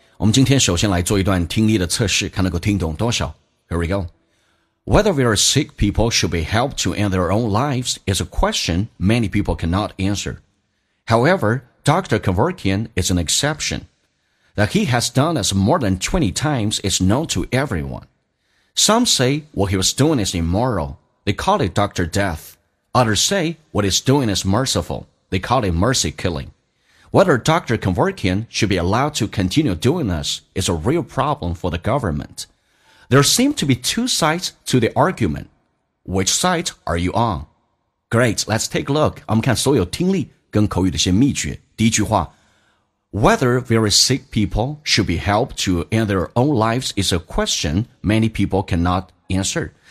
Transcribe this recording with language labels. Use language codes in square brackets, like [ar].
[zh] 我们今天首先来做一段听力的测试，看能够听懂多少。 [en] Here we go. Whether we are sick people should be helped to end their own lives is a question many people cannot answer. However, Dr. Kevorkian is an exception. That he has done this more than 20 times is known to everyone. Some say what he was doing is immoral. They call it Dr. Death. Others say what he's doing is mercifulThey call it mercy killing. Whether Dr. Kevorkian should be allowed to continue doing this is a real problem for the government. There seem to be two sides to the argument. Which side are you on? Great, let's take a look. [zh] 我们看所有听力跟口语的一些秘诀。第一句话 [en] Whether very sick people should be helped to end their own lives is a question many people cannot answer.